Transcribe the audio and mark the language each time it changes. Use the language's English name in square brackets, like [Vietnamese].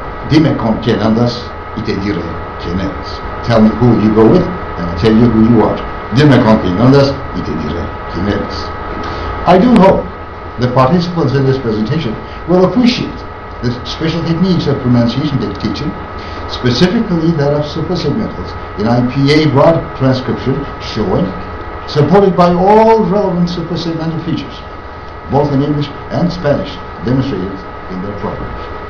[Spanish] Dime con quién andas y te diré quién eres. [English] Tell me who you go with and I'll tell you who you are. [Spanish] Dime con quién andas y te diré quién eres. [English] I do hope the participants in this presentation will appreciate the special techniques of pronunciation teaching, specifically that of suprasegmentals in IPA broad transcription showing, supported by all relevant suprasegmental features, both in English and Spanish, demonstrated in their programs.